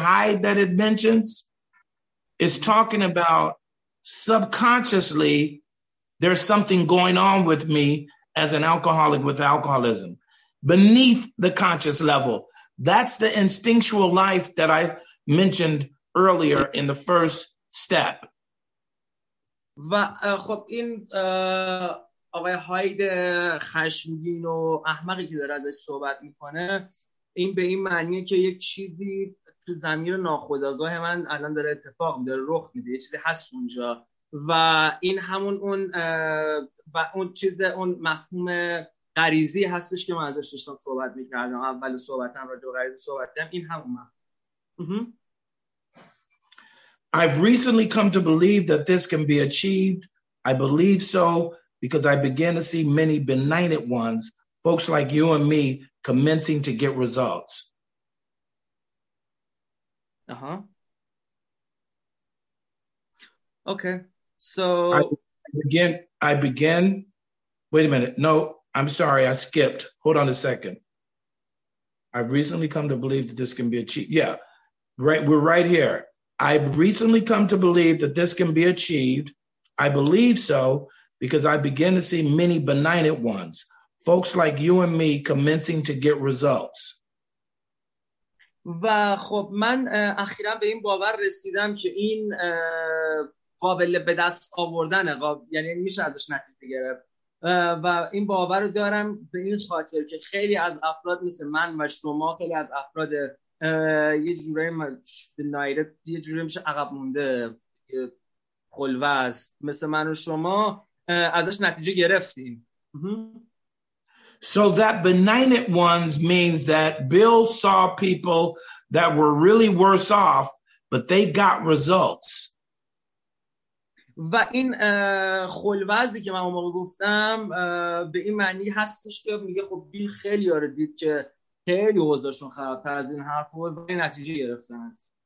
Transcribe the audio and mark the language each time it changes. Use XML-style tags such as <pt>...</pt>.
<en>Hyde that it mentions is talking about subconsciously there's something going on with me as an alcoholic with alcoholism beneath the conscious level. That's the instinctual life that I mentioned earlier in the first step.</en> <fa>و خب این آقای هاید خشمگین و احمقی که داره ازش صحبت میکنه، این به این معنیه که یک چیزی تو ضمیر ناخودآگاه من الان داره اتفاق میده، رخ میده، یه چیزی هست اونجا و این همون اون و اون چیز اون مفهوم غریزی هستش که من ازش داشتم صحبت میکردم اول صحبتم را دو غریزی صحبت کردم این همون مفهوم.</fa> <en>I've recently come to believe that this can be achieved. I believe so because I begin to see many benighted ones, folks like you and me, commencing to get results. Okay. So I begin. Wait a minute. No, I'm sorry. I skipped. Hold on a second. I've recently come to believe that this can be achieved. Yeah. Right. We're right here. I've recently come to believe that this can be achieved. I believe so because I begin to see many benighted ones, folks like you and me, commencing to get results.</en> <fa>و خب من اخیرا به این باور رسیدم که این قابل به دست آوردنه، یعنی میشه ازش نتیجه گرفت و این باور رو دارم به این خاطر که خیلی از افراد مثل من و شما، خیلی از افراد یه جوری بنایرد، یه جوری میشه عقب مونده خلوز مثل من و شما، ازش نتیجه گرفتیم.</fa> <en>So that benignant ones means that Bill saw people that were really worse off, but they got results.</en> <fa>و این خلوزی که من اون موقع گفتم به این معنی هستش که میگه خب بیل خیلی یاره دید که خیلی وضعشون خرابتر از این حرف بود و این نتیجه گرفتن است.</fa>